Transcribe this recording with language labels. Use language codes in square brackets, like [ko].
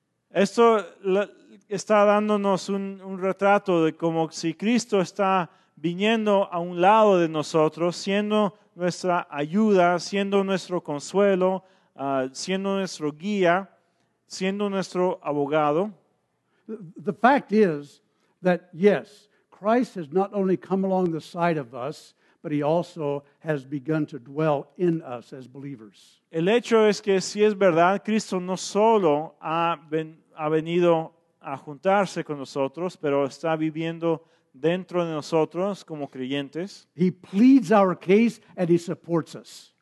[es] Esto está dándonos un retrato de como si Cristo está viniendo a un lado de nosotros, siendo nuestra ayuda, siendo nuestro consuelo, siendo nuestro guía, siendo nuestro abogado. [en] The fact is that, yes, Christ has not only come along the side of us, but he also has begun to dwell in us as believers. [es] El hecho es que, si es verdad, Cristo no solo ha venido a juntarse con nosotros, pero está viviendo dentro de nosotros como creyentes. [en] He pleads our case and he supports us.